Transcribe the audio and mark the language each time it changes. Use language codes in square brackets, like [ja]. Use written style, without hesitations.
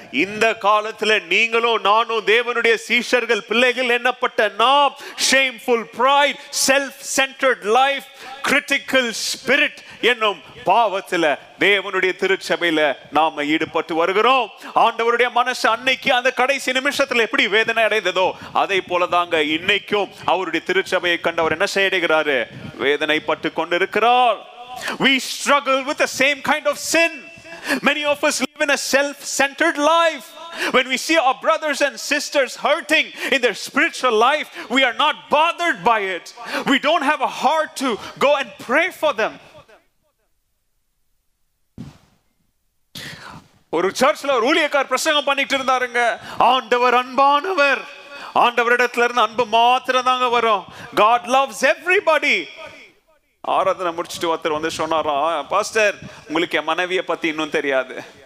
[ta] இந்த காலத்துல நீங்களும் நானும் தேவனுடைய சீஷர்கள் பிள்ளைகள் என்னப்பட்ட நாம், [en] shameful pride, self centred life, critical spirit [ta] என்னும் பாவத்தில் தேவனுடைய திருச்சபையில நாம ஈடுபட்டு வருகிறோம். ஆண்டவருடைய மனசு அன்னைக்கு அந்த கடைசி நிமிஷத்துல எப்படி வேதனை அடைந்ததோ அதே போலதாங்க இன்னைக்கும் அவருடைய திருச்சபையை கண்டு அவர் என்ன செய்கிறாரு, வேதனைப்பட்டு கொண்டிருக்கிறார். [en] We struggle with the same kind of sin. Many of us live in a self-centered life. When we see our brothers and sisters hurting in their spiritual life, we are not bothered by it. We don't have a heart to go and pray for them. [ta] ஒரு சர்ச்ல ஒரு ஊழியக்கார் பிரசங்கம் பண்ணிட்டு இருந்தாருங்க. ஆண்டவர் அன்பானவர், ஆண்டவரிடத்துல இருந்து அன்பு மாத்திரம் தாங்க வரும். [en] God loves everybody. [ta] ஆராதனை முடிச்சுட்டு ஒருத்தர் வந்து சொன்னாரா, பாஸ்டர் உங்களுக்கு என் மனைவியை பத்தி இன்னும் தெரியாது.